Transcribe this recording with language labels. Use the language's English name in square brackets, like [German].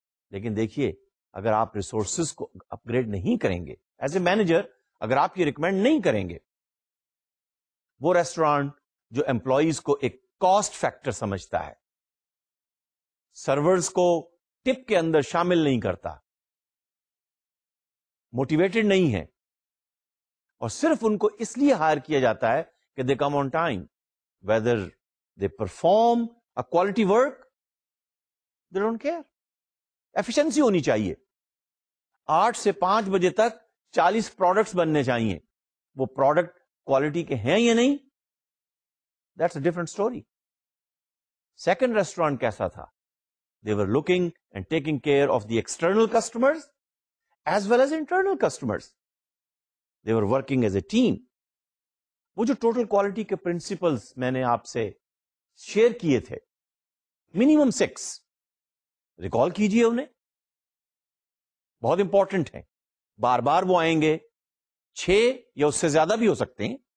[Urdu] لیکن دیکھیے اگر آپ ریسورسز کو اپگریڈ نہیں کریں گے, [English] as a manager [Urdu] اگر آپ یہ ریکمینڈ نہیں کریں گے, وہ ریسٹورانٹ جو امپلائیز کو ایک کاسٹ فیکٹر سمجھتا ہے, سرورز کو ٹپ کے اندر شامل نہیں کرتا, موٹیویٹڈ نہیں ہے اور صرف ان کو اس لیے ہائر کیا جاتا ہے کہ [English] They come on time, whether they perform a quality work, they don't care. [Urdu] Efficiency ہونی چاہیے, 8 to 5 hours تک 40 products بننے چاہیے, وہ پروڈکٹ کوالٹی کے ہیں یا نہیں, [English] That's a different story. [Urdu] Second restaurant کیسا تھا, [English] They were looking and taking care of the external customers as well as internal customers, they were working as a team. [Urdu] وہ جو ٹوٹل کوالٹی کے پرنسپلس میں نے آپ سے شیئر کیے تھے, منیمم 6, ریکال کیجئے انہیں, بہت امپورٹنٹ ہیں, بار بار وہ آئیں گے, [English] 6 or more [Urdu] بھی ہو سکتے ہیں.